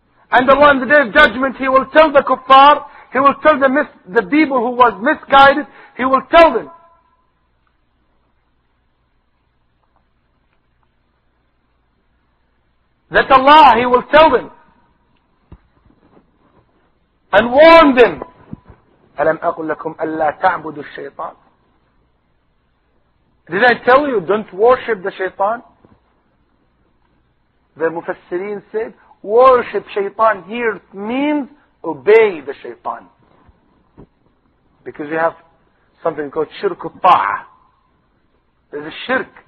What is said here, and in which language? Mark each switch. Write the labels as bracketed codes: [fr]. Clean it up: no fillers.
[en] And the one, the day of judgment, he will tell the kuffar, he will tell the people who was misguided, he will tell them, that Allah, he will tell them and warn them. [ar] أَلَمْ أَقُلْ لَكُمْ أَلَّا تَعْبُدُ الشَّيْطَانِ. [en] Did I tell you, don't worship the shaitan? The Mufassirin said, worship shaitan here means obey the shaitan. Because we have something called shirk ta'ah. There's a shirk.